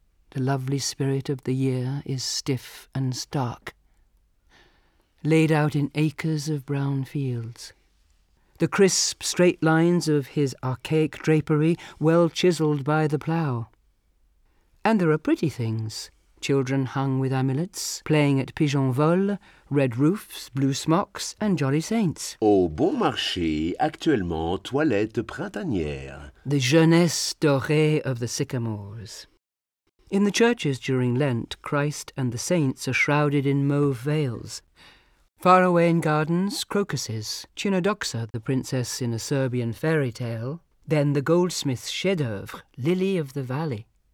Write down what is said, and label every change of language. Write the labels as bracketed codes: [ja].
[en] The lovely spirit of the year is stiff and stark, laid out in acres of brown fields. The crisp, straight lines of his archaic drapery, well chiselled by the plough. And there are pretty things. Children hung with amulets, playing at pigeon vol, red roofs, blue smocks, and jolly saints. [fr] Au bon marché, actuellement toilette printanière. [en] The jeunesse dorée of the sycamores. In the churches during Lent, Christ and the saints are shrouded in mauve veils. Far away in gardens, crocuses. Chinodoxa, the princess in a Serbian fairy tale. Then the goldsmith's chef-d'œuvre, lily of the valley.